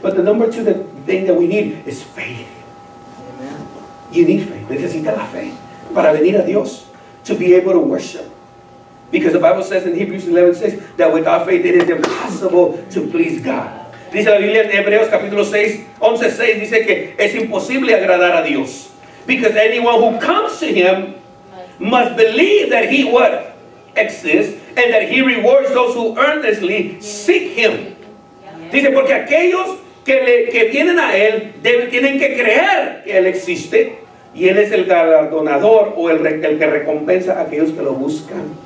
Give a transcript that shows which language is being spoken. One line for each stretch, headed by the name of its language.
English: But the number two, the thing that we need is faith. Amen. You need faith.
Spanish: Necesita la fe para venir a Dios
English: to be able to worship. Because the Bible says in Hebrews 11:6 that without faith it is impossible to please God.
Spanish: Dice la Biblia en Hebreos capítulo 6, 11:6 dice que es imposible agradar a Dios.
English: Because anyone who comes to Him must believe that he what exists and that he rewards those who earnestly seek him.
Spanish: Dice porque aquellos que vienen a él tienen que creer que él existe y él es el galardonador o el que recompensa a aquellos que lo buscan.